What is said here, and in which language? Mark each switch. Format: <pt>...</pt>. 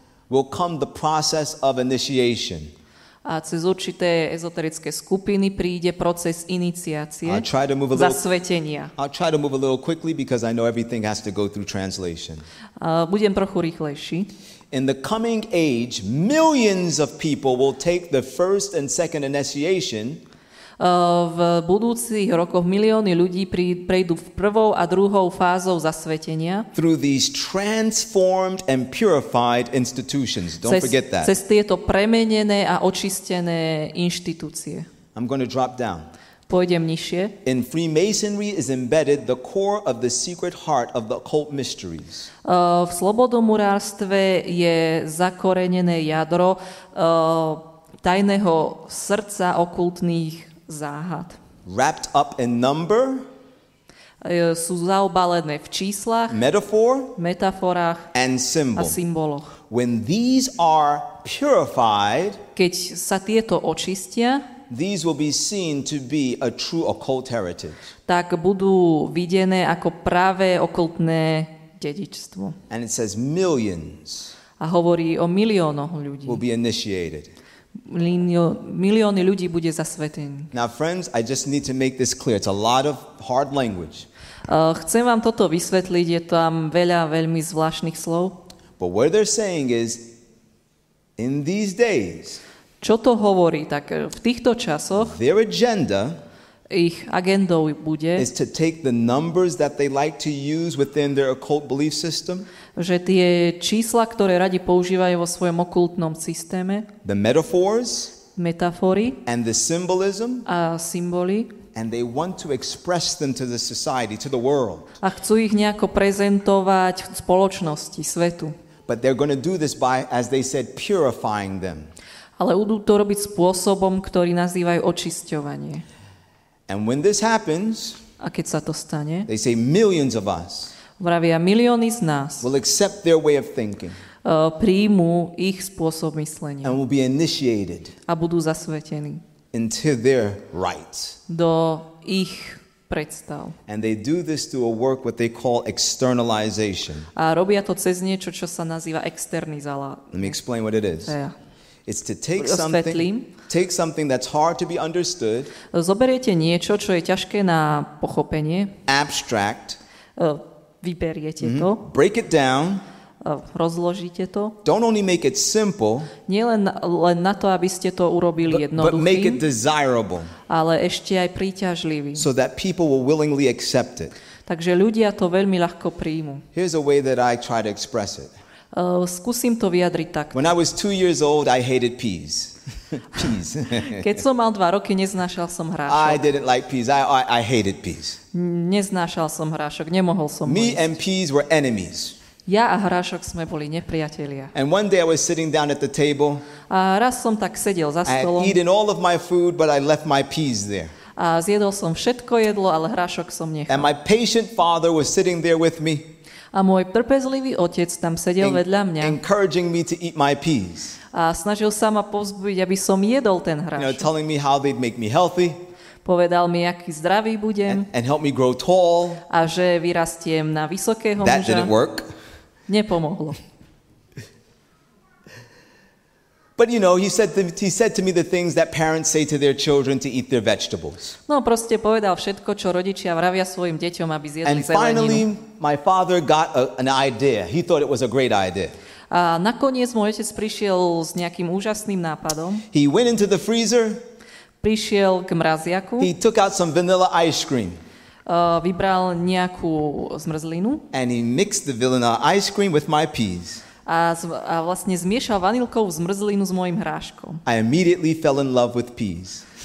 <en>will come the process of initiation.</en> <sk>A cez určité ezoterické skupiny príde proces iniciácie, zasvetenia.</sk> <en>I'll try to move a little quickly because I know everything has to go through translation.</en> <sk>Budem trochu rýchlejší.</sk> <en>In the coming age, millions of people will take the first and second initiation.</en> <sk>V budúcich rokoch milióny ľudí prejdú v prvou a druhou fázou zasvetenia.</sk> <en>Through these transformed and purified institutions. Don't forget that.</en> <sk>Cez tieto premenené a očistené inštitúcie.</sk> <en>I'm going to drop down.</en> <sk>Pôjdem nižšie.</sk> <en>In Freemasonry is embedded the core of the secret heart of the occult mysteries.</en> <sk>V slobodomurárstve je zakorenené jadro tajného srdca okultných záhad.</sk> <en>Wrapped up in number,</en> <sk>sú zaobalené v číslach, metaforách</sk> <en>and symbol.</en> <sk>A symboloch.</sk> <en>When these are purified,</en> <sk>keď sa tieto očistia,</sk> <en>these will be seen to be a true occult heritage.</en> <sk>Tak budú videné ako pravé okultné dedičstvo.</sk> <en>And it says millions.</en> <sk>A hovorí o miliónoch ľudí.</sk> <en>Will be initiated.</en> <sk>milióny ľudí bude zasvetený.</sk> <en>Now friends, I just need to make this clear. It's a lot of hard language.</en> <sk>Chcem vám toto vysvetliť, je tam veľa veľmi zvláštnych slov.</sk> <en>But what they're saying is in these days.</en> <sk>Čo to hovorí, tak v týchto časoch?</sk> <en>Their agenda</en> <sk>ich agendou bude</sk> <en>is to take the numbers that they like to use within their occult belief system.</en> <sk>Že tie čísla, ktoré radi používajú vo svojom okultnom systéme,</sk> <en>the metaphors,</en> <sk>metafory,</sk> <en>and the symbolism,</en> <sk>a symboly,</sk> <en>and they want to express them to the society, to the world.</en> <sk>A chcú ich nejako prezentovať spoločnosti, svetu.</sk> <en>But they're going to do this by, as they said, purifying them.</en> <sk>Ale budú to robiť spôsobom, ktorý nazývajú očisťovanie.</sk> <en>And when this happens,</en> <sk>a keď sa to stane,</sk> <en>they say millions of us,</en> <sk>vravia milióny z nás,</sk> <en>will accept their way of thinking.</en> <sk>Príjmu ich spôsob myslenia.</sk> <en>And will be initiated.</en> <sk>A budú zasvetení.</sk> <en>Into their rites.</en> <sk>Do ich predstav.</sk> <en>And they do this through a work what they call externalization.</en> <sk>A robia to cez niečo, čo sa nazýva externizala.</sk> <en>Let me explain what it is.</en> <sk>Ja.</sk> <en>It's to take something, that's hard to be understood.</en> <sk>Zoberiete niečo, čo je ťažké na pochopenie.</sk> <en>Abstract.</en> <sk>Vyberiete to.</sk> <en>Break it down.</en> <sk>Rozložíte to.</sk> <en>Don't only make it simple.</en> <sk>Nie len na to, aby ste to urobili jednoduchým.</sk> <en>But make it desirable.</en> <sk>Ale ešte aj príťažlivý.</sk> <en>So that people will willingly accept it.</en> <sk>Takže ľudia to veľmi ľahko príjmu.</sk> <en>Here's a way that I try to express it.</en> <sk>Skúsim to vyjadriť tak.</sk> <en>When I was 2 years old, I hated peas. Peas.</en> <sk>Keď som mal 2 roky, neznášal som hrášok.</sk> <en>I didn't like peas. I hated peas.</en> <sk>Neznášal som hrášok, nemohol som ho.</sk> <en>Me and peas were enemies.</en> <sk>Ja a hrášok sme boli nepriatelia.</sk> <en>And one day I was sitting down at the table.</en> <sk>A raz som tak sedel za stolom.</sk> <en>I had eaten all of my food, but I left my peas there.</en> <sk>A zjedol som všetko jedlo, ale hrášok som nechal.</sk> <en>And my patient father was sitting there with me.</en> <sk>A môj trpezlivý otec tam sedel vedľa mňa.</sk> <en>Encouraging me to eat my peas.</en> <sk>A snažil sa ma povzbudiť, aby som jedol ten hrášok.</sk> <en>You know, telling me how they'd make me healthy.</en> <sk>Povedal mi, aký zdravý budem.</sk> <en>And help me grow tall.</en> <sk>A že vyrastiem na vysokého</sk> <en>that That didn't work.</en> <sk>Nepomohlo.</sk> <en>But you know, he said to me the things that parents say to their children to eat their vegetables.</en> <sk>No, proste povedal všetko, čo rodičia vravia svojim deťom, aby zjedli zeleninu.</sk> <en>And finally, my father got an idea. He thought it was a great idea.</en> <sk>A nakoniec môj otec prišiel s nejakým úžasným nápadom.</sk> <en>He went into the freezer.</en> <sk>Prišiel k mraziaku.</sk> <en>He took out some vanilla ice cream.</en> <sk>Vybral nejakú zmrzlinu.</sk> <en>And he mixed the vanilla ice cream with my peas.</en> <sk>A vlastne zmiešal vanilkovú zmrzlinu s mojim hráškom.</sk> <en>I immediately fell in love with peas.</en>